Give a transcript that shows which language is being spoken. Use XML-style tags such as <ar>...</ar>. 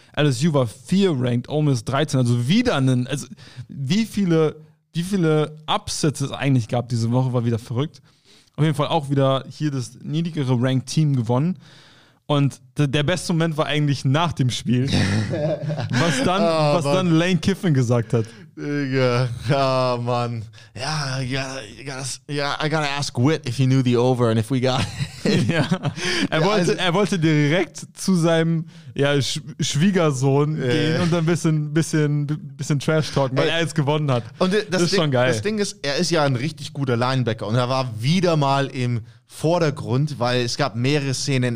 <de>LSU war 4-ranked, Ole Miss 13. Also wieder einen. Also wie viele Upsets es eigentlich gab diese Woche, war wieder verrückt. Auf jeden Fall auch wieder hier das niedrigere Ranked Team gewonnen. Und der beste Moment war eigentlich nach dem Spiel, was dann Lane Kiffin gesagt hat. Digga, ja, Mann. Ja,</de> <en>I gotta ask Whit if he knew the over and if we got it.</en> <de>Ja. Er wollte direkt zu seinem Schwiegersohn gehen und dann ein bisschen Trash-Talken, weil er jetzt gewonnen hat. Und das ist schon geil. Das Ding ist, er ist ja ein richtig guter Linebacker und er war wieder mal im Vordergrund, weil es gab mehrere Szenen.</de>